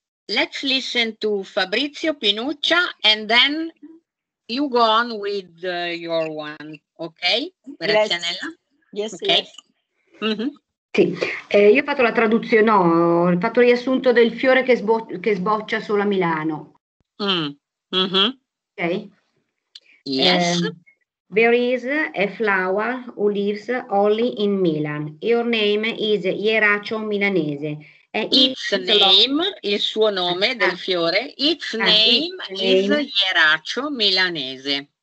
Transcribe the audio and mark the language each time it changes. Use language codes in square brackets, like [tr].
[en] Let's listen to Fabrizio Pinuccia and then you go on with your one, ok? [it] Grazianella? [en] Yes, okay. Yes. Mm-hmm. [it] Sì, io ho fatto la traduzione, no, ho fatto il riassunto del fiore che sboccia solo a Milano. [en] Ok? Yes. There is a flower who lives only in Milan. Your name is Ieraccio Milanese. [it] Il suo nome del fiore, [en] its name is Ieraccio Milanese.